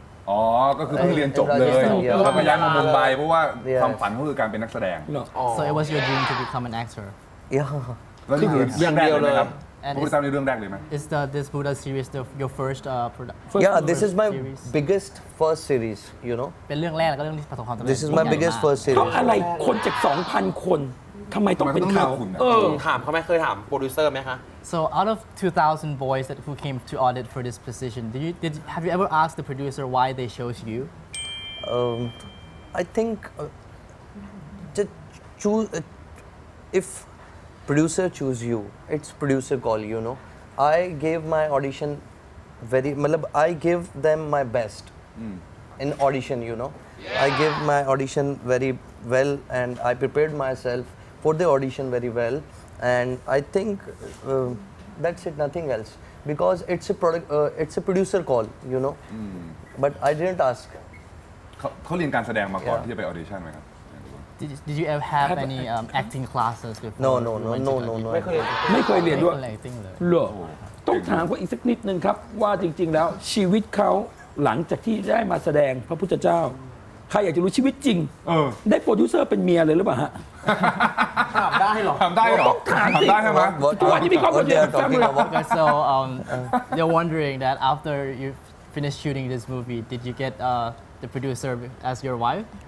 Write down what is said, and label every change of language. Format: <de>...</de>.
<th>อ๋อก็คือเรียนจบเลยแล้วก็ย้ายมาบุมไบเพราะว่าความฝันก็คือการเป็นนักแสดง</th> <en>so it was your dream to become an actor yeah</en> <th>แล้วนี่คือเรื่องแรกเลยครับพูดตามในเรื่องแรกเลยไหม</th> <en>is the this Buddha series the your first product yeah this is my biggest first series you know</en> <th>เป็นเรื่องแรกแล้วก็เรื่องที่ประสบความสำเร็</th> <en>จ this is my biggest first series</en> <th>เขาอะไรคนจาก 2,000 คนทำไมต้องเป็นเขา ถามเขาไหมเคยถามโปรดิวเซอร์ไหมคะ</th> <en>so out of 2,000 boys that who came to audit for this position have you ever asked the producer why they chose you I think to choose if producer choose you it's producer call you know I gave my audition very matlab I give them my best in audition you know I give my audition very well and I prepared myself for the audition very well and I think that's it nothing else because it's a product it's a producer call you know but I didn't ask</en> <th>เขาเรียนการแสดงมาก่อนที่จะไป audition ไหมครับ</th> <en>did you ever have any acting classes before no</en> <th>ไม่เคยเรียนด้วยหรอต้องถามเขาอีกสักนิดนึงครับว่าจริงๆแล้วชีวิตเขาหลังจากที่ได้มาแสดงพระพุทธเจ้าใครอยากจะรู้ชีวิตจริงได้โปรดิวเซอร์เป็นเมียเลยหรือเปล่าฮะ</th> <en>Okay, so you're wondering that after you finished shooting this movie, did you get the producer as your wife?</en>